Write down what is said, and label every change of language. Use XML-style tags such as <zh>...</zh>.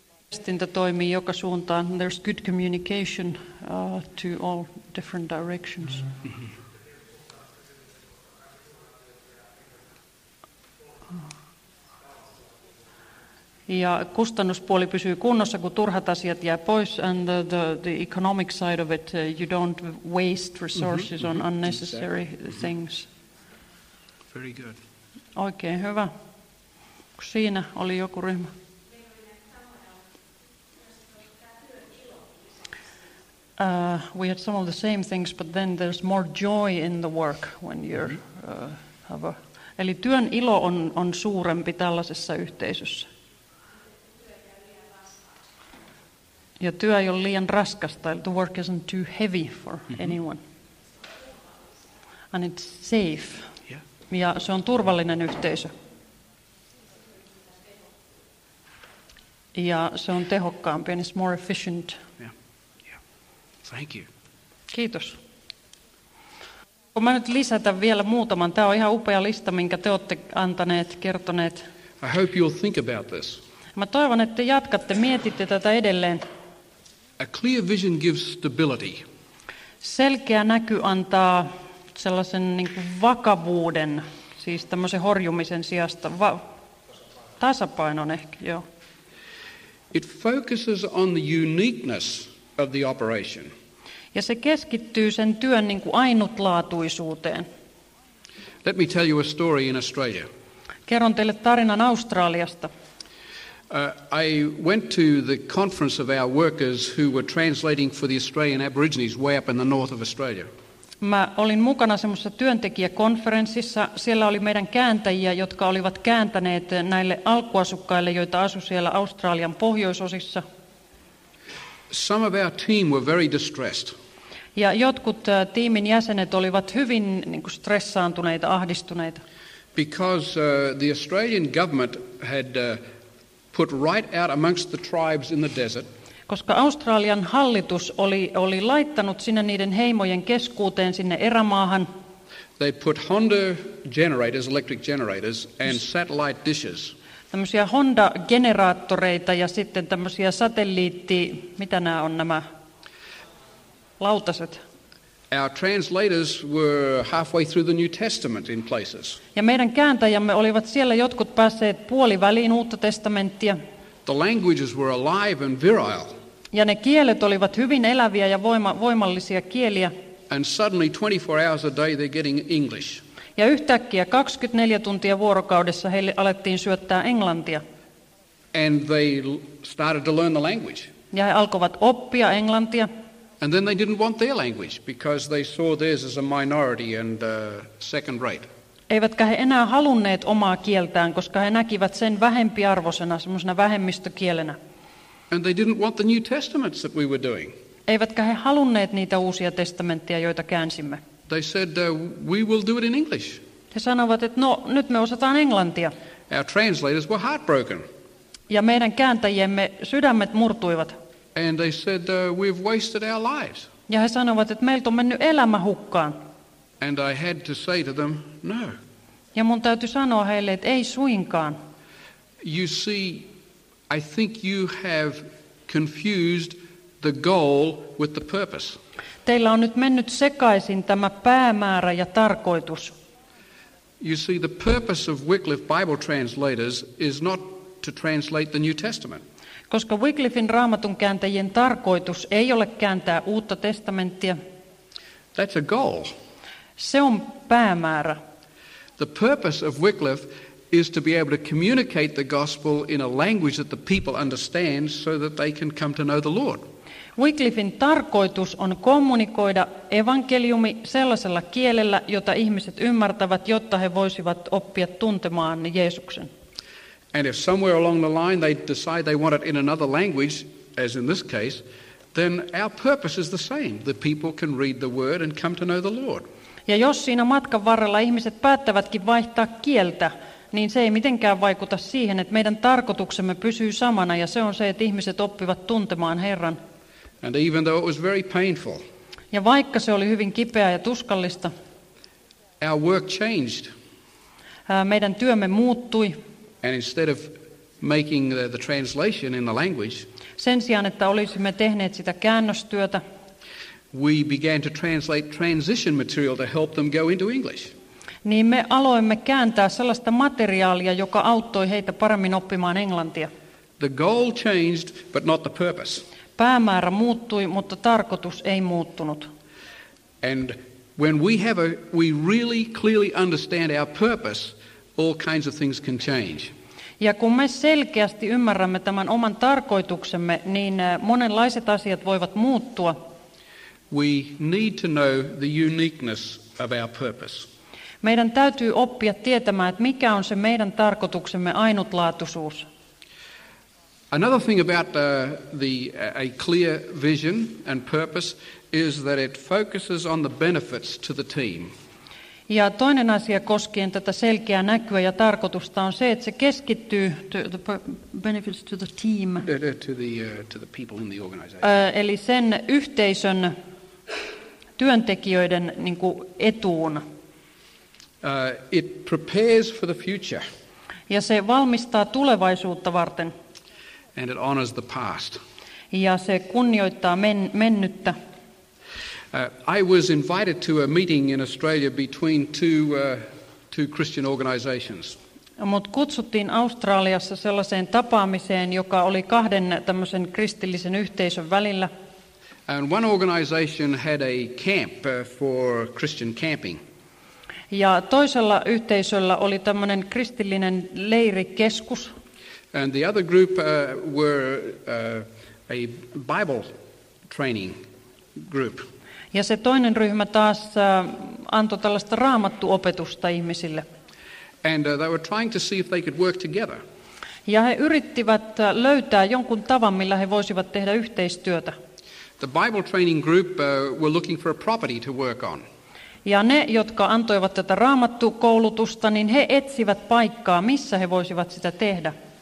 <fi>Viestintä toimii joka suuntaan.</fi> <en>There's good communication to all different directions.</en> <fi>Ja kustannuspuoli pysyy kunnossa, kun turhat asiat jää pois.</fi> <en>And the economic side of it, you don't waste resources on unnecessary things. Very good.</en> <fi>Oikein hyvä. Siinä oli joku ryhmä.</fi> <en>We had some of the same things, but then there's more joy in the work when you're have a...</en> <fi>Eli työn ilo on suurempi tällaisessa yhteisössä. Ja työ ei ole liian raskasta,</fi> <en>the work isn't too heavy for anyone. And it's safe. Yeah.</en> <fi>Ja se on turvallinen yhteisö. Ja se on tehokkaampi,</fi> <en>and it's more efficient. Thank you.</en> <fi>Kiitos. Kun mä nyt lisätä vielä muutaman. Tämä on ihan upea lista, minkä te olette antaneet, kertoneet.</fi> <en>I hope you'll think about this.</en> <fi>Mä toivon, että jatkatte, mietitte tätä edelleen.</fi> <en>A clear vision gives stability.</en> <fi>Selkeä näky antaa sellaisen niin kuin vakavuuden, siis tämmöisen horjumisen sijasta. Tasapainon ehkä, joo.</fi> <en>It focuses on the uniqueness of the operation.</en> <fi>Ja se keskittyy sen työn niin kuin ainutlaatuisuuteen.</fi> <en>Let me tell you a story in Australia.</en> <fi>Kerron teille tarinan Australiasta.</fi> <en>I went to the conference of our workers who were translating for the Australian Aborigines way up in the north of Australia.</en> <fi>Mä olin mukana semmoisessa työntekijäkonferenssissa. Siellä oli meidän kääntäjiä, jotka olivat kääntäneet näille alkuasukkaille, joita asui siellä Australian pohjoisosissa.</fi> <en>Some of our team were very distressed.</en> <fi>Ja jotkut tiimin jäsenet olivat hyvin niinku stressaantuneita, ahdistuneita.</fi> <en>Because the Australian government had put right out amongst the tribes in the desert.</en> <fi>Koska Australian hallitus oli laittanut sinne niiden heimojen keskuuteen sinne erämaahan.</fi> <en>They put Honda generators, electric generators and satellite dishes.</en> <fi>Tämmöisiä Honda-generaattoreita ja sitten tämmöisiä satelliitti, mitä nämä on nämä lautaset.</fi> <en>Our translators were halfway through the New Testament in places.</en> <fi>Ja meidän kääntäjämme olivat siellä jotkut päässeet puoliväliin Uutta testamenttia.</fi> <en>The languages were alive and virile.</en> <fi>Ja ne kielet olivat hyvin eläviä ja voimallisia kieliä.</fi> <en>And suddenly 24 hours a day they're getting English.</en> <fi>Ja yhtäkkiä 24 tuntia vuorokaudessa heille alettiin syöttää englantia.</fi> <en>And they started to learn the language.</en> <fi>Ja he alkoivat oppia englantia.</fi> <en>And then they didn't want their language because they saw theirs as a minority and second rate.</en> <fi>Eivätkä he enää halunneet omaa kieltään, koska he näkivät sen vähempiarvoisena, semmoisena vähemmistökielenä.</fi> <en>And they didn't want the New Testaments that we were doing.</en> <fi>Eivätkä he halunneet niitä uusia testamentteja, joita käänsimme.</fi> <en>They said we will do it in English.</en> <fi>He sanovat, että no, nyt me osataan englantia.</fi> <en>Our translators were heartbroken.</en> <fi>Ja meidän kääntäjiemme sydämet murtuivat.</fi> <en>And they said we've wasted our lives.</en> <fi>Ja he sanovat, että meiltä on mennyt elämä hukkaan.</fi> <en>And I had to say to them, no.</en> <fi>Ja mun täytyy sanoa heille, että ei suinkaan.</fi> <en>You see, I think you have confused the goal with the purpose.</en> <fi>Teillä on nyt mennyt sekaisin tämä päämäärä ja tarkoitus.</fi> <en>You see, the purpose of Wycliffe Bible translators is not to translate the New Testament.</en> <fi>Koska Wycliffen Raamatun kääntäjien tarkoitus ei ole kääntää Uutta testamenttia.</fi> <en>That's a goal.</en> <fi>Se on päämäärä.</fi> <en>The purpose of Wycliffe is to be able to communicate the gospel in a language that the people understand so that they can come to know the Lord.</en> <fi>Wycliffen tarkoitus on kommunikoida evankeliumi sellaisella kielellä, jota ihmiset ymmärtävät, jotta he voisivat oppia tuntemaan Jeesuksen.</fi> <en>And if somewhere along the line they decide they want it in another language, as in this case, then our purpose is the same. The people can read the word and come to know the Lord.</en> <fi>Ja jos siinä matkan varrella ihmiset päättävätkin vaihtaa kieltä, niin se ei mitenkään vaikuta siihen, että meidän tarkoituksemme pysyy samana, ja se on se, että ihmiset oppivat tuntemaan Herran.</fi> <en>And even though it was very painful.</en> <fi>Ja vaikka se oli hyvin kipeää ja tuskallista.</fi> <en>Our work changed.</en> <fi>Meidän työmme muuttui.</fi> <en>And instead of making the translation in the language,</en> <fi>sen sijaan, että olisimme tehneet sitä käännöstyötä,</fi> <en>we began to translate transition material to help them go into English.</en> <fi>Niin me aloimme kääntää sellaista materiaalia, joka auttoi heitä paremmin oppimaan englantia.</fi> <en>The goal changed, but not the purpose.</en> <fi>Päämäärä muuttui, mutta tarkoitus ei muuttunut.</fi> <en>And when we really clearly understand our purpose, all kinds of things can change.</en> <fi>Ja kun me selkeästi ymmärrämme tämän oman tarkoituksemme, niin monenlaiset asiat voivat muuttua.</fi> <en>We need to know the uniqueness of our purpose.</en> <fi>Meidän täytyy oppia tietämään, että mikä on se meidän tarkoituksemme ainutlaatuisuus.</fi> <en>Another thing about a clear vision and purpose is that it focuses on the benefits to the team.</en> <fi>Ja toinen asia koskien tätä selkeää näkyä ja tarkoitusta on se, että se keskittyy</fi> <en>the benefits to the team. To the people in the organization.</en> <fi>Eli sen yhteisön työntekijöiden niin kuin etuun.</fi> <en>It prepares for the future.</en> <fi>Ja se valmistaa tulevaisuutta varten.</fi> <en>And it honors the past.</en> <fi>Ja se kunnioittaa mennyttä.</fi> <en>I was invited to a meeting in Australia between two Christian organizations.</en> <fi>Mut kutsuttiin Australiassa sellaiseen tapaamiseen, joka oli kahden tämmöisen kristillisen yhteisön välillä.</fi> <en>And one organization had a camp for Christian camping.</en> <fi>Ja toisella yhteisöllä oli tämmöinen kristillinen leirikeskus.</fi> <en>And the other group were a Bible training group.</en> <fi>Ja se toinen ryhmä taas antoi tällaista raamattuopetusta ihmisille.</fi> <en>And they were trying to see if they could work together.</en> <fi>Ja he yrittivät löytää jonkun tavan, millä he voisivat tehdä yhteistyötä.</fi> <en>The Bible training group were looking for a property to work on.</en> <fi>Ja ne, jotka antoivat tätä raamattukoulutusta, niin he etsivät paikkaa, missä he voisivat sitä tehdä.</fi>